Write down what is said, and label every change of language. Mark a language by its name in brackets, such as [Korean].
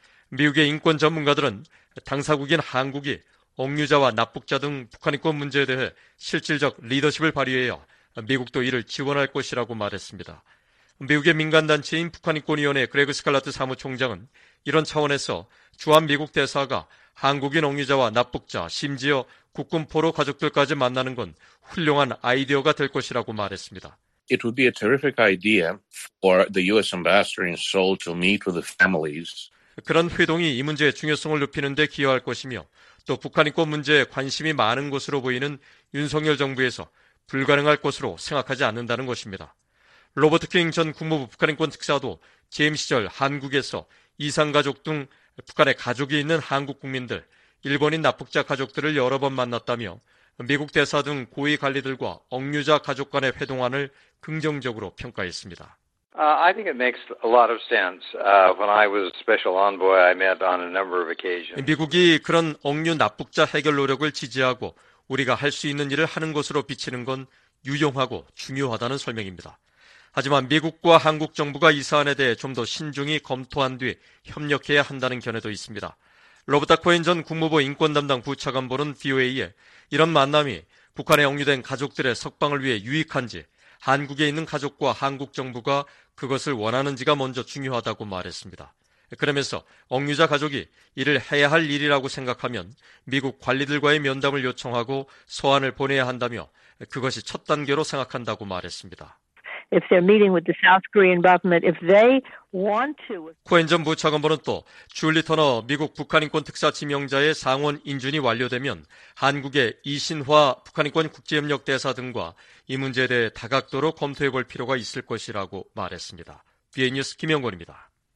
[Korean] 미국의 인권 전문가들은 당사국인 한국이 억류자와 납북자 등 북한 인권 문제에 대해 실질적 리더십을 발휘해야 미국도 이를 지원할 것이라고 말했습니다. 미국의 민간단체인 북한인권위원회 그레그 스칼라트 사무총장은 이런 차원에서 주한미국 대사가 한국인 억류자와 납북자, 심지어 국군포로 가족들까지 만나는 건 훌륭한 아이디어가 될 것이라고 말했습니다. [English] It would be a terrific idea for the U.S. ambassador in Seoul to meet with the families. [Korean] 그런 회동이 이 문제의 중요성을 높이는 데 기여할 것이며 또 북한인권 문제에 관심이 많은 것으로 보이는 윤석열 정부에서 불가능할 것으로 생각하지 않는다는 것입니다. 로버트 킹 전 국무부 북한인권특사도 재임 시절 한국에서 이산가족 등 북한에 가족이 있는 한국 국민들, 일본인 납북자 가족들을 여러 번 만났다며 미국 대사 등 고위 관리들과 억류자 가족 간의 회동안을 긍정적으로 평가했습니다. [English] I think it makes a lot of sense. When I was special envoy, I met on a number of occasions. [Korean] 미국이 그런 억류 납북자 해결 노력을 지지하고 우리가 할 수 있는 일을 하는 것으로 비치는 건 유용하고 중요하다는 설명입니다. 하지만 미국과 한국 정부가 이 사안에 대해 좀 더 신중히 검토한 뒤 협력해야 한다는 견해도 있습니다. 로버트 코엔 전 국무부 인권담당 부차관보는 VOA에 이런 만남이 북한에 억류된 가족들의 석방을 위해 유익한지 한국에 있는 가족과 한국 정부가 그것을 원하는지가 먼저 중요하다고 말했습니다. 그러면서 억류자 가족이 이를 해야 할 일이라고 생각하면 미국 관리들과의 면담을 요청하고 소환을 보내야 한다며 그것이 첫 단계로 생각한다고 말했습니다. [English] if they're meeting with the South Korean government, if they want to. [Korean] 코엔 전 부차관보는 또 줄리 터너 미국 북한인권 특사 지명자의 상원 인준이 완료되면 한국의 이신화 북한인권 국제협력 대사 등과 이 문제에 대해 다각도로 검토해 볼 필요가 있을 것이라고 말했습니다. BN 뉴스 김영권입니다.